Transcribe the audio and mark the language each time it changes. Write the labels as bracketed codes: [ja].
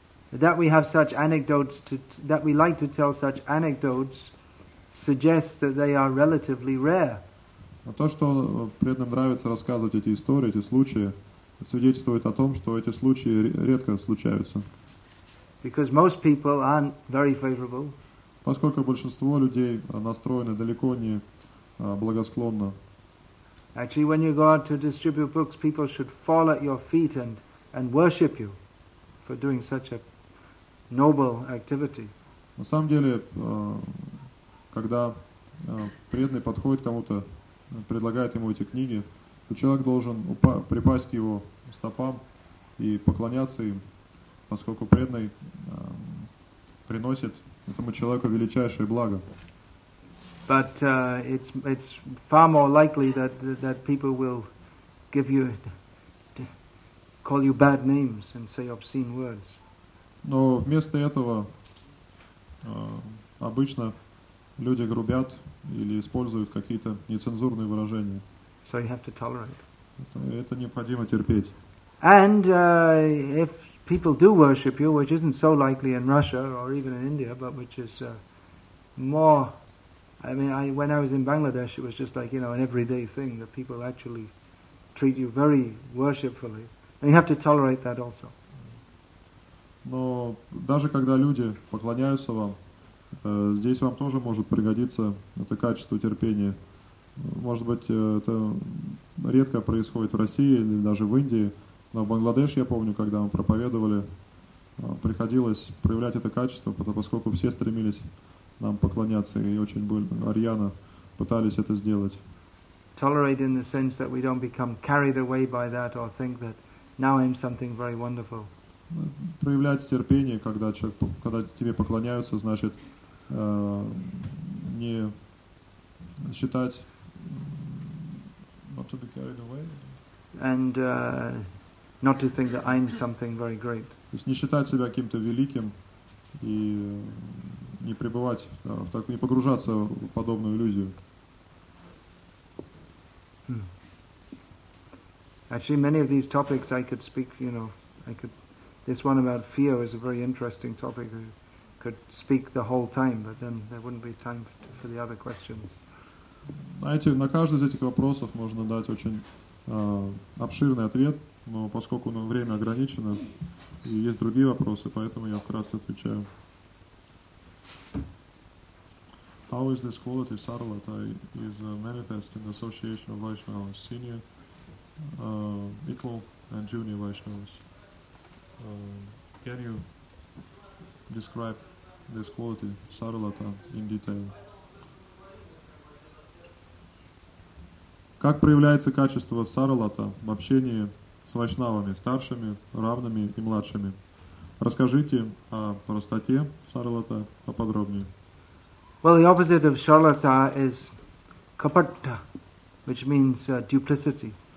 [en] That we have such anecdotes to that we like to tell such anecdotes suggests that they are relatively rare. [ru] А то, что преданным нравится рассказывать эти истории, эти случаи, свидетельствует о том, что эти случаи редко случаются. [en] Because most people aren't very favorable. [ru] Поскольку большинство людей настроены далеко не благосклонно. [en] Actually, when you go out to distribute books, people should fall at your feet and worship you for doing such a noble activity. [ru] На самом деле, когда преданный подходит к кому-то, предлагает ему эти книги, то человек должен припасть к его стопам и поклоняться им, поскольку преданный приносит этому человеку величайшее благо. [en] But it's far more likely that people will give you call you bad names and say obscene words. [ru] Но вместо этого обычно люди грубят или используют какие-то нецензурные выражения. [en] So you have to tolerate. [ru] Это необходимо терпеть. [en] And if people do worship you, which isn't so likely in Russia or even in India, but which is more, I mean, when I was in Bangladesh, it was just like, you know, an everyday thing that people actually treat you very worshipfully. And you have to tolerate that also. [ru] Но даже когда люди поклоняются вам, здесь вам тоже может пригодиться это качество терпения. Может быть, это редко происходит в России или даже в Индии, но в Бангладеш, я помню, когда мы проповедовали, приходилось проявлять это качество, поскольку все стремились нам поклоняться и очень больно, рьяно пытались это сделать. [en] Tolerate in the sense that we don't become carried away by that or think that now I'm something very wonderful. [ru] Проявлять терпение, когда человек, когда тебе поклоняются, значит, не считать, [en] not to be carried away. And not to think that I'm something very great. [ru] То есть не считать себя каким-то великим и не пребывать, так не погружаться в подобную иллюзию. [en] Actually, many of these topics I could speak, you know, I could. This one about fear is a very interesting topic. I could speak the whole time, but then there wouldn't be time for the other questions. [ru] Знаете, на каждый из этих вопросов можно дать очень обширный ответ, но поскольку нам время ограничено и есть другие вопросы, поэтому я вкратце отвечаю. [en] How is this quality sarvata is manifest in association of Vaishnavas, senior, equal, and junior Vaishnavas? Can you describe this quality, sarvata, in detail? [ru] Как проявляется качество сарвата в общении с вайшнавами, старшими, равными и младшими? Расскажите о простоте сарвата поподробнее. [en] Well, the opposite of sarvata is kapatta, which means duplicity.